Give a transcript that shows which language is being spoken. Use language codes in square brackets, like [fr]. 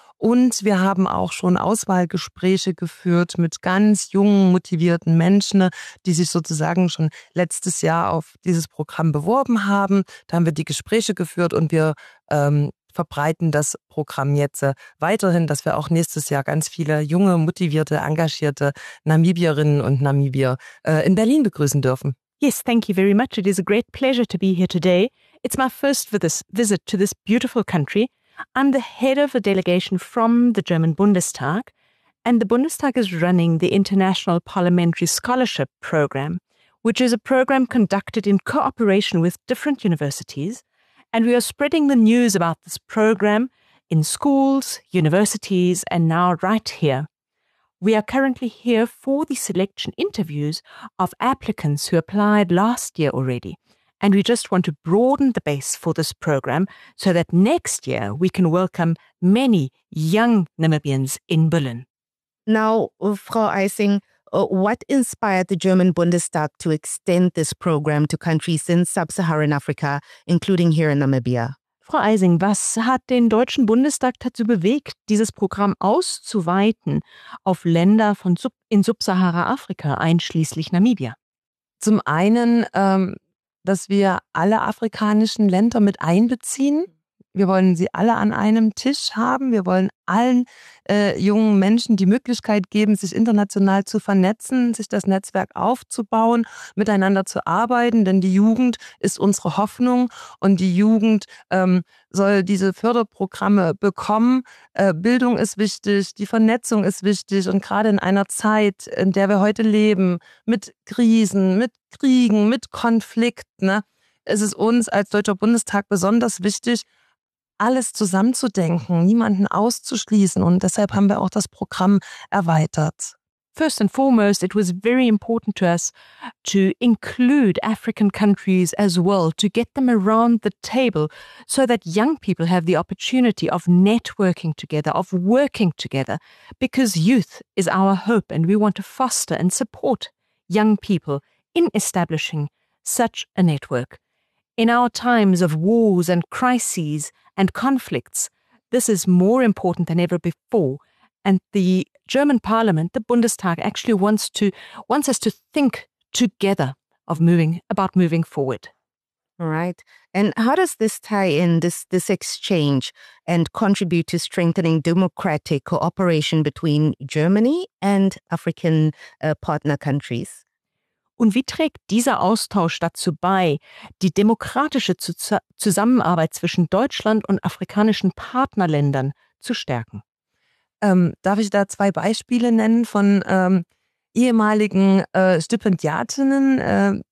[de] Und wir haben auch schon Auswahlgespräche geführt mit ganz jungen, motivierten Menschen, die sich sozusagen schon letztes Jahr auf dieses Programm beworben haben. Da haben wir die Gespräche geführt und wir verbreiten das Programm jetzt weiterhin, dass wir auch nächstes Jahr ganz viele junge, motivierte, engagierte Namibierinnen und Namibier in Berlin begrüßen dürfen. [en] Yes, thank you very much. It is a great pleasure to be here today. It's my first visit to this beautiful country. I'm the head of a delegation from the German Bundestag, and the Bundestag is running the International Parliamentary Scholarship Program, which is a program conducted in cooperation with different universities. And we are spreading the news about this program in schools, universities, and now right here. We are currently here for the selection interviews of applicants who applied last year already. And we just want to broaden the base for this program so that next year we can welcome many young Namibians in Berlin. Now, Frau Ising, what inspired the German Bundestag to extend this program to countries in sub-Saharan Africa, including here in Namibia? [de] Frau Ising, was hat den Deutschen Bundestag dazu bewegt, dieses Programm auszuweiten auf Länder von in sub-Sahara-Afrika, einschließlich Namibia? Zum einen, dass wir alle afrikanischen Länder mit einbeziehen. Wir wollen sie alle an einem Tisch haben. Wir wollen allen jungen Menschen die Möglichkeit geben, sich international zu vernetzen, sich das Netzwerk aufzubauen, miteinander zu arbeiten. Denn die Jugend ist unsere Hoffnung und die Jugend soll diese Förderprogramme bekommen. Bildung ist wichtig, die Vernetzung ist wichtig. Und gerade in einer Zeit, in der wir heute leben, mit Krisen, mit Kriegen, mit Konflikten, ne, ist es uns als Deutscher Bundestag besonders wichtig, alles zusammenzudenken, niemanden auszuschließen, und deshalb haben wir auch das Programm erweitert. [en] First and foremost, it was very important to us to include African countries as well, to get them around the table so that young people have the opportunity of networking together, of working together, because youth is our hope and we want to foster and support young people in establishing such a network. In our times of wars and crises and conflicts, this is more important than ever before. And the German Parliament, the Bundestag, actually wants us to think together about moving forward. Right. And how does this tie in, this exchange, and contribute to strengthening democratic cooperation between Germany and African partner countries? [de] Und wie trägt dieser Austausch dazu bei, die demokratische Zusammenarbeit zwischen Deutschland und afrikanischen Partnerländern zu stärken? Darf ich da zwei Beispiele nennen von ehemaligen Stipendiatinnen?